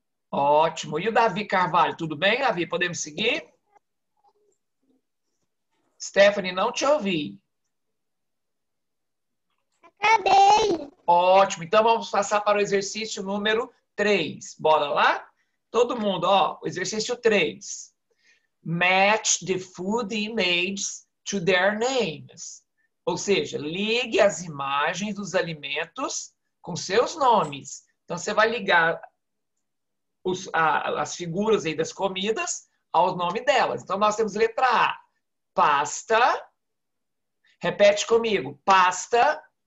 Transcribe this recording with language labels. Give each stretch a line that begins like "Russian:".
Portuguese: Ótimo. E o Davi Carvalho, tudo bem, Davi? Podemos seguir? Stephanie, não te ouvi. Acabei. Ótimo. Então, vamos passar para o exercício número 3. Bora lá? Todo mundo, ó. O exercício 3.
English: Match the food images to their names.
Portuguese: Ou seja, ligue as imagens dos alimentos com seus nomes. Então, você vai ligar as figuras aí das comidas ao nome delas. Então, nós temos letra A. Pasta. Repete comigo. Pasta.